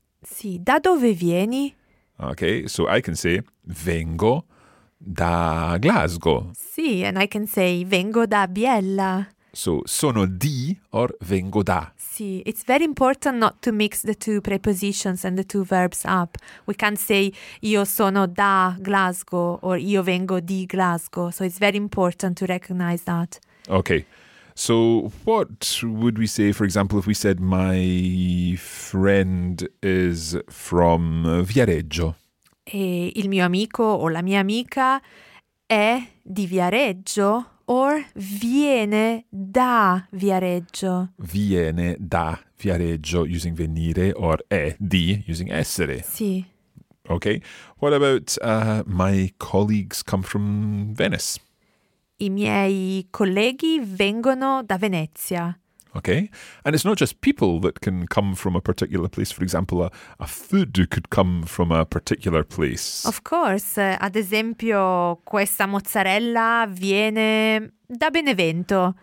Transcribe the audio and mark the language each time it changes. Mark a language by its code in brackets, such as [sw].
[it] Sì, da dove vieni? [en] Okay, so I can say, [it] vengo da Glasgow. [en] Sì, and I can say, [it] vengo da Biella. [en] So, sono di or vengo da? Sì, it's very important not to mix the two prepositions and the two verbs up. We can't say, [it] io sono da Glasgow [en] or [it] io vengo di Glasgow. [en] So, it's very important to recognize that. Okay. So what would we say, for example, if we said my friend is from Viareggio? [it] E il mio amico o la mia amica è di Viareggio or viene da Viareggio. Viene da Viareggio using venire or è di using essere. Sì. [en] Okay. What about my colleagues come from Venice? [it] I miei colleghi vengono da Venezia. [en] Okay. And it's not just people that can come from a particular place. For example, a food could come from a particular place. Of course. [it] Ad esempio, questa mozzarella viene da Benevento.